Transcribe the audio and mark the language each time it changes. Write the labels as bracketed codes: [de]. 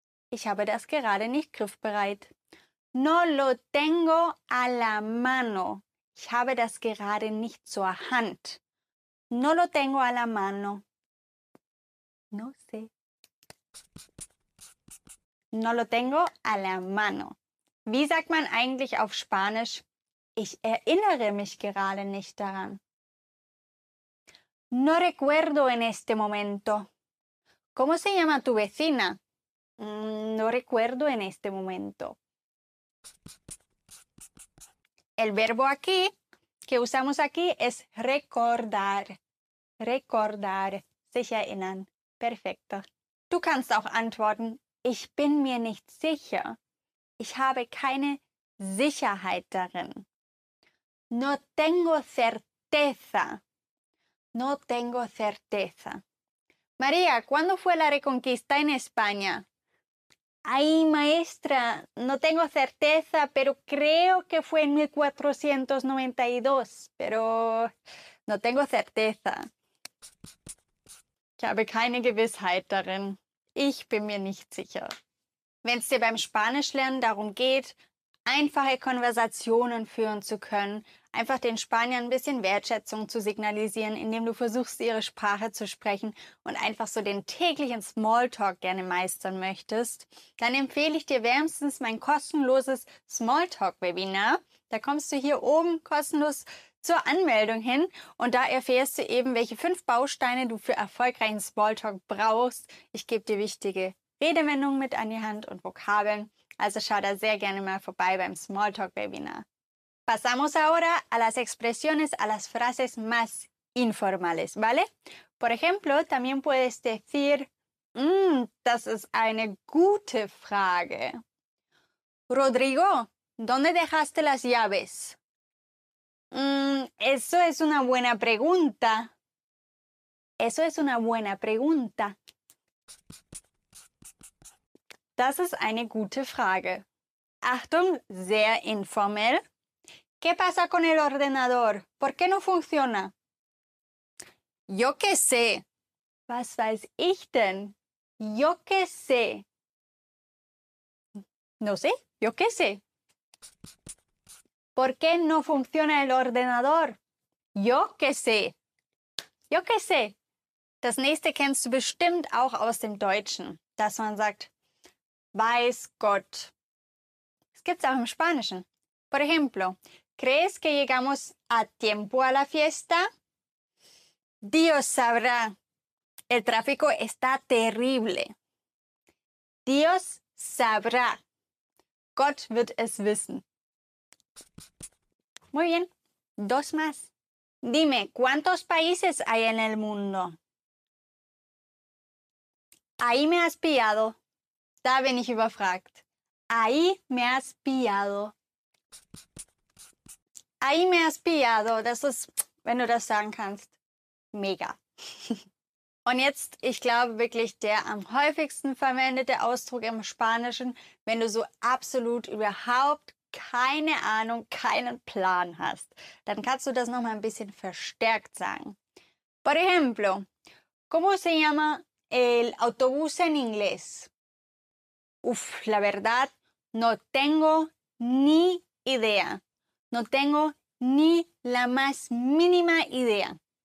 [de] Ich habe das gerade nicht griffbereit. [es] No lo tengo a la mano. [de] Ich habe das gerade nicht zur Hand. [es] No lo tengo a la mano. No sé. No lo tengo a la mano. [de] Wie sagt man eigentlich auf Spanisch? Ich erinnere mich gerade nicht daran. [es] No recuerdo en este momento. ¿Cómo se llama tu vecina? No recuerdo en este momento. El verbo aquí, que usamos aquí, es recordar. Recordar. [de] Sich erinnern. [es] Perfecto. [de] Du kannst auch antworten, ich bin mir nicht sicher. Ich habe keine Sicherheit darin. [es] No tengo certeza. No tengo certeza. María, ¿cuándo fue la reconquista en España? Ay, maestra, no tengo certeza, pero creo que fue en 1492. Pero no tengo certeza. [de] Ich habe keine Gewissheit darin. Ich bin mir nicht sicher. Wenn es dir beim Spanischlernen darum geht, einfache Konversationen führen zu können, einfach den Spaniern ein bisschen Wertschätzung zu signalisieren, indem du versuchst, ihre Sprache zu sprechen und einfach so den täglichen Smalltalk gerne meistern möchtest, dann empfehle ich dir wärmstens mein kostenloses Smalltalk-Webinar. Da kommst du hier oben kostenlos zur Anmeldung hin und da erfährst du eben, welche 5 Bausteine du für erfolgreichen Smalltalk brauchst. Ich gebe dir wichtige Redewendungen mit an die Hand und Vokabeln. Also schau da sehr gerne mal vorbei beim Smalltalk-Webinar. [es] Pasamos ahora a las expresiones, a las frases más informales, ¿vale? Por ejemplo, también puedes decir, [de] das ist eine gute Frage. [es] Rodrigo, ¿dónde dejaste las llaves? Eso es una buena pregunta. Eso es una buena pregunta. [de] Das ist eine gute Frage. Achtung, sehr informell. [es] ¿Qué pasa con el ordenador? ¿Por qué no funciona? Yo qué sé. [de] Was weiß ich denn? [es] Yo qué sé. No sé, yo qué sé. ¿Por qué no funciona el ordenador? Yo qué sé. Yo qué sé. [de] Das nächste kennst du bestimmt auch aus dem Deutschen, dass man sagt, weiß Gott. Das gibt's auch im Spanischen. [es] Por ejemplo, ¿crees que llegamos a tiempo a la fiesta? Dios sabrá. El tráfico está terrible. Dios sabrá. [de] Gott wird es wissen. [es] Muy bien. Dos más. Dime, ¿cuántos países hay en el mundo? Ahí me has pillado. [de] Da bin ich überfragt. [es] Ahí me has pillado. Ahí me has pillado. [de] Das ist, wenn du das sagen kannst, mega. Und jetzt, ich glaube, wirklich der am häufigsten verwendete Ausdruck im Spanischen, wenn du so absolut überhaupt keine Ahnung, keinen Plan hast. Dann kannst du das nochmal ein bisschen verstärkt sagen. [es] Por ejemplo, ¿cómo se llama el autobús en inglés? Uf, la verdad, no tengo ni idea. No tengo ni la más mínima idea.